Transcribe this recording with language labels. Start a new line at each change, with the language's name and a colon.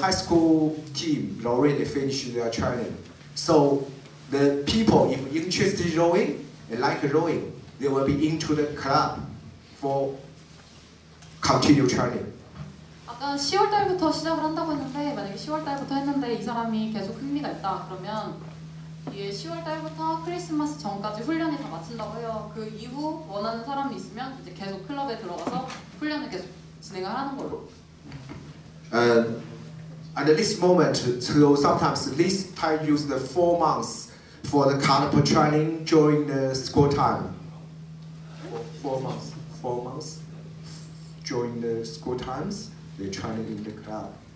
English: Five times after school. So the people if interested in rowing, they like rowing, they will be into the club for continue training.
Korean: 아까 10월 달부터 시작을 한다고 했는데 만약에 10월 달부터 했는데 이 사람이 계속 흥미가 있다 그러면 이게 10월 달부터 크리스마스 전까지 훈련이 다 마친다고 해요. 그 이후 원하는 사람이 있으면 이제 계속 클럽에 들어가서 훈련을 계속 진행을 하는 걸로.
English: At this moment, so sometimes this time use the 4 months for the carnival training during the school time. Four months during the school times, they training in the club.